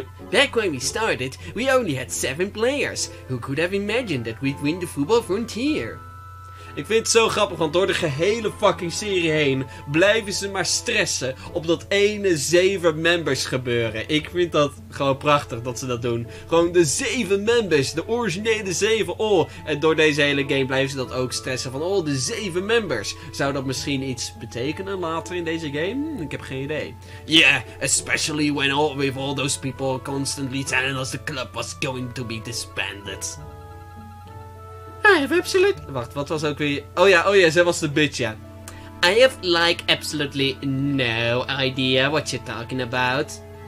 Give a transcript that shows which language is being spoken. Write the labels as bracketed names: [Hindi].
[English] Back when we started, we only had 7 players. Who could have imagined that we'd win the football frontier? [Dutch] Ik vind het zo grappig, want door de gehele fucking serie heen blijven ze maar stressen op dat ene 7 members gebeuren. Ik vind dat gewoon prachtig dat ze dat doen. Gewoon de 7 members, de originele 7. Oh, en door deze hele game blijven ze dat ook stressen van, oh, de 7 members. Zou dat misschien iets betekenen later in deze game? Ik heb geen idee. [English] Yeah, especially when all with all those people constantly telling us the club was going to be disbanded. I have absolute... [Dutch] Wacht, wat was ook weer... Oh ja, zij was de bitch, ja. [English] I have, like, absolutely no idea what you're talking about.